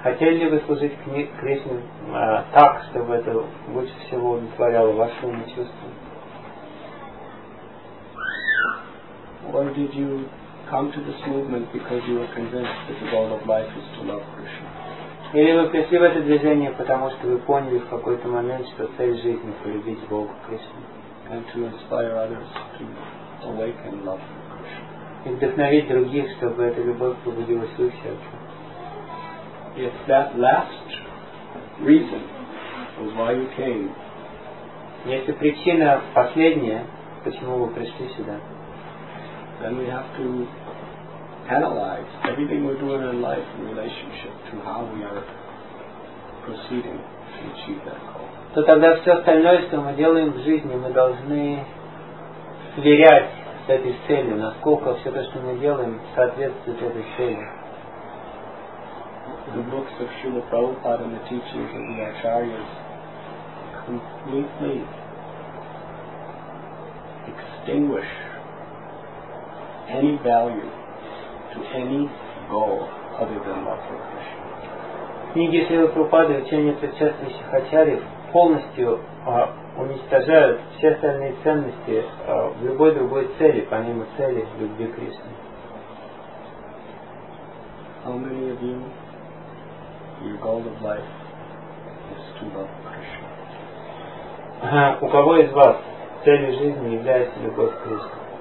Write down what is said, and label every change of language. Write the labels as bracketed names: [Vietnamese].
[Russian] Хотели ли вы служить Кришне так, чтобы это лучше всего удовлетворяло ваши умы чувства? [English] Or did you come to this movement because you were convinced that the goal of life is to love Krishna? [Russian] Или вы пришли в это движение, потому что вы поняли в какой-то момент, что цель жизни — полюбить Бога Кришну? [English] And to inspire others to awaken love for Krishna. [Russian] И вдохновить других, чтобы эта любовь пробудилась в их сердце. [English] If that last reason was why you came, [Russian] если причина последняя, почему вы пришли сюда, [English] then we have to analyze everything we're doing in life in relationship to how we are proceeding to achieve that goal. [Russian] То тогда все остальное, что мы делаем в жизни, мы должны сверять с этой целью, насколько все то, что мы делаем, соответствует этой цели. [English] The books of Srila Prabhupada and the teachings of the Acharyas completely extinguish any value to any goal other than love for Krishna. [Russian] Книги Шрилы Прабхупады, учения предшествующих Ачарьев полностью уничтожают все остальные ценности в любой другой цели, помимо цели любви Кришны. [English] How many of you, your goal of life is to love Krishna? [Russian] У кого из вас целью жизни является любовь к Кришне?